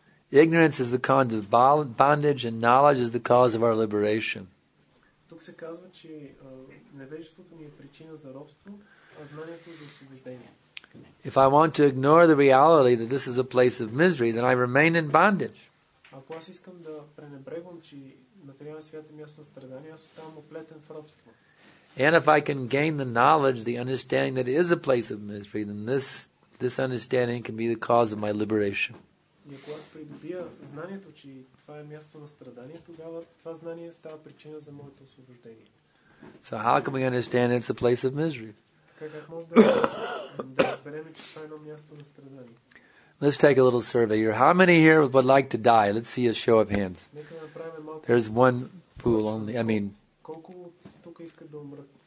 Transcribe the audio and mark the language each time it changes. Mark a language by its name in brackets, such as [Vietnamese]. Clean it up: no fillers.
[English] Ignorance is the cause of bondage and knowledge is the cause of our liberation. [Bulgarian] Тук се казва, че невежеството ни е причина за робство, а знанието за освобождение. [English] If I want to ignore the reality that this is a place of misery, then I remain in bondage. [Bulgarian] Ако аз искам да пренебрегвам, че материалният свят е място на страдание, аз оставам оплетен в робство. [English] And if I can gain the knowledge, the understanding that it is a place of misery, then this understanding can be the cause of my liberation. [Bulgarian] И ако аз придобия знанието, че това е място на страдание, тогава това знание става причина за моето освобождение. [English] So how can we understand it's a place of misery? [Bulgarian] Как може да разберем, че това е едно място на страдание? [English] Let's take a little survey here. How many here would like to die? Let's see a show of hands. There's one fool only. I mean, [Bulgarian] колко тук искат да умрат?